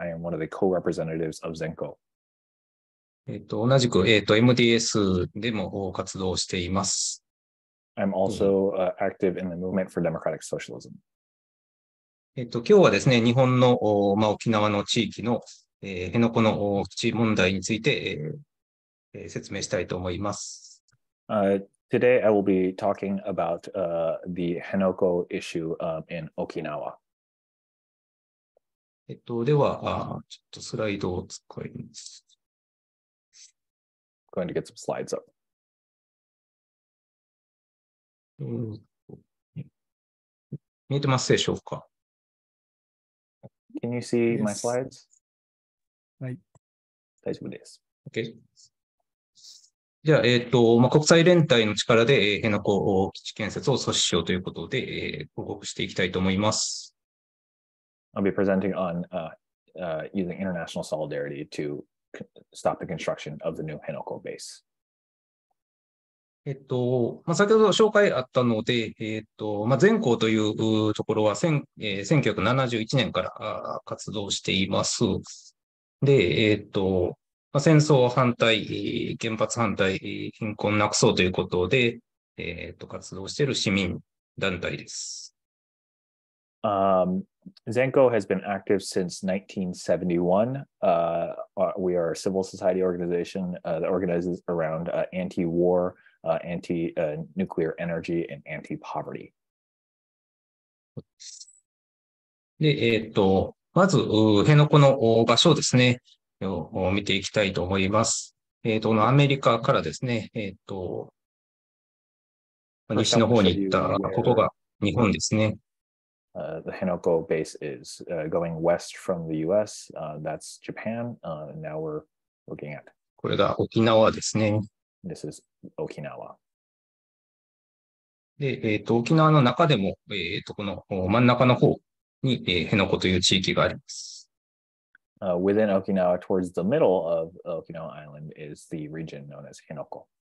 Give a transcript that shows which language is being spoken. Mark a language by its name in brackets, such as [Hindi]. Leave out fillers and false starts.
[English] I am one of the co-representatives of ZENKO. [Japanese] 同じく、MDS でも活動しています。 [English] I'm also active in the Movement for Democratic Socialism. [Japanese] 今日はですね、日本の、沖縄の地域の辺野古の基地問題について、説明したいと思います。 [English] Today I will be talking about the Henoko issue in Okinawa. [Japanese] では、ちょっとスライドを使います。 [English] Going to get some slides up. [Japanese] 見えてますでしょうか? [English] Can you see my slides? [Japanese] はい、大丈夫です。 [English] Okay. [Japanese] じゃあ、国際連帯の力で辺野古基地建設を阻止しようということで、報告していきたいと思います。 [English] I'll be presenting on using international solidarity to stop the construction of the new 辺野古 base. [Japanese] まあ、先ほど紹介あったので、まあ、ZENKOというところは1971年から活動しています。で、まあ、戦争反対、原発反対、貧困なくそうということで、活動している市民団体です。 [English] ZENKO has been active since 1971. We are a civil society organization that organizes around anti-war, anti-nuclear energy, and anti-poverty. [Japanese] で、まず、辺野古の場所ですね、を見ていきたいと思います。このアメリカからですね、西の方に行った、ここが日本ですね。 [English] The Henoko base is going west from the U.S. That's Japan. Now we're looking at. [Japanese] これが沖縄ですね。 [English] This is Okinawa. [Japanese] で、沖縄の中でも、この真ん中の方に、辺野古という地域があります。 [English] Within Okinawa, towards the middle of Okinawa Island, is the region known as Henoko.